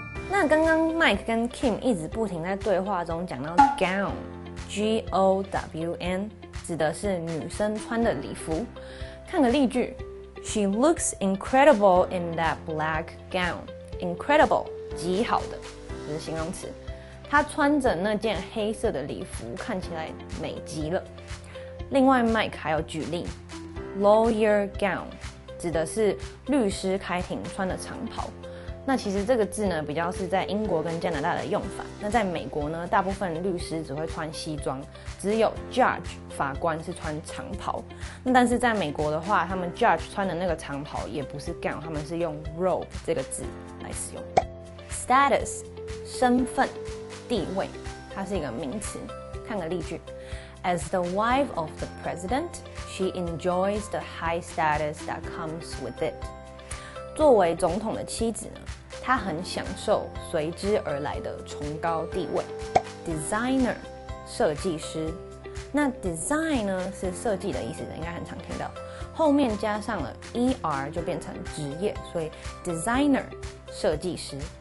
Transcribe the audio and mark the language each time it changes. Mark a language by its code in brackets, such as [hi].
[zh] 那刚刚 Mike 跟 Kim 一直不停在对话中讲到 gown, G-O-W-N, 指的是女生穿的礼服。看个例句 [en] ,She looks incredible in that black gown. [zh] Incredible, 极好的，这是形容词。她穿着那件黑色的礼服看起来美极了。另外 Mike 还有举例 Lawyer gown 指的是律师开庭穿的长袍。那其实这个字呢比较是在英国跟加拿大的用法。那在美国呢大部分律师只会穿西装，只有 judge 法官是穿长袍。那但是在美国的话，他们 judge 穿的那个长袍也不是 gown， 他们是用 robe 这个字来使用。 Status 身份地位，它是一个名词。看个例句 [en] ，As the wife of the president, she enjoys the high status that comes with it. [zh] 作为总统的妻子呢，她很享受随之而来的崇高地位。 Designer， 设计师。那 design 呢是设计的意思，应该很常听到。后面加上了 er 就变成职业，所以 designer 设计师。